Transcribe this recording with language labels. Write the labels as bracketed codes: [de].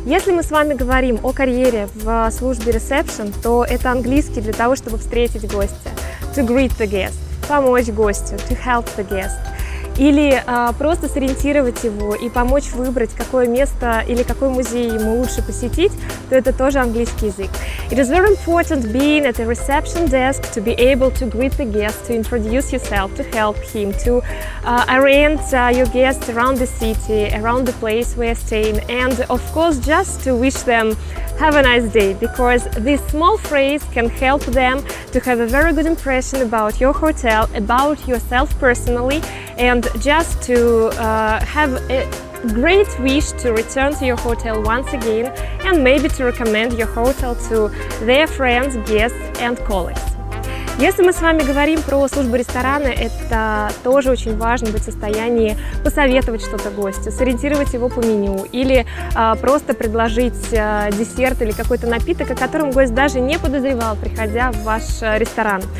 [ru] Если мы с вами говорим о карьере в службе ресепшн, то это английский для того, чтобы встретить гостя. [en] To greet the guest. [ru] Помочь гостю. [en] To help the guest. [ru] Или просто сориентировать его и помочь выбрать, какое место или какой музей ему лучше посетить, то это тоже английский язык. [en] It is very important being at the reception desk to be able to greet the guest, to introduce yourself, to help him, to orient your guests around the city, around the place where you're staying, and of course just to wish them have a nice day, because this small phrase can help them to have a very good impression about your hotel, about yourself personally, and just to have a great wish to return to your hotel once again and maybe to recommend your hotel to their friends, guests and colleagues. [ru] Если мы с вами говорим про службу ресторана, это тоже очень важно быть в состоянии посоветовать что-то гостю, сориентировать его по меню или просто предложить десерт или какой-то напиток, о котором гость даже не подозревал, приходя в ваш ресторан.